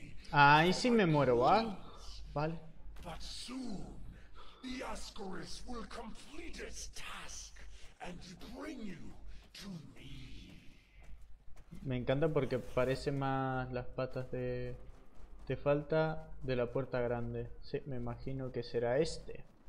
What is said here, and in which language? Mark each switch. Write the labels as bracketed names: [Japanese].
[Spanish] Ahí sí me muero, ¿vale? Vale. [English] But soon, The Ascaris will complete its task and bring you to me. [Spanish] Me encanta porque parece más las patas de... Te falta de la puerta grande. Sí, me imagino que será este.